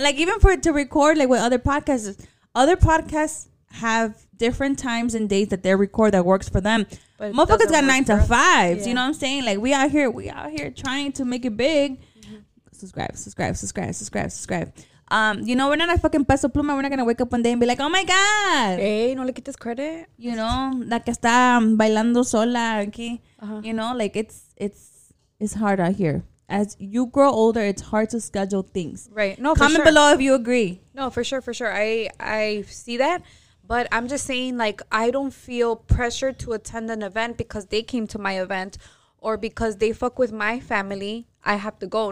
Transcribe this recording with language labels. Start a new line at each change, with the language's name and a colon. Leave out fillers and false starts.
English: Like, even for it to record, like, with other podcasts have different times and days that they record that works for them. But motherfuckers got 9 to 5. Yeah. You know what I'm saying? Like, we out here trying to make it big. Mm-hmm. Subscribe. You know, we're not a fucking Peso Pluma. We're not going to wake up one day and be like, oh, my God.
Spanish: Hey, no le quites credit.
English: You know,
Spanish: la que está bailando sola aquí.
English: Uh-huh. You know, like, it's hard out here. As you grow older, it's hard to schedule things. Right. No, comment for sure. Below if you agree. No, for sure. I see that. But I'm just saying, like, I don't feel pressured to attend an event because they came to my event or because they fuck with my family. I have to go.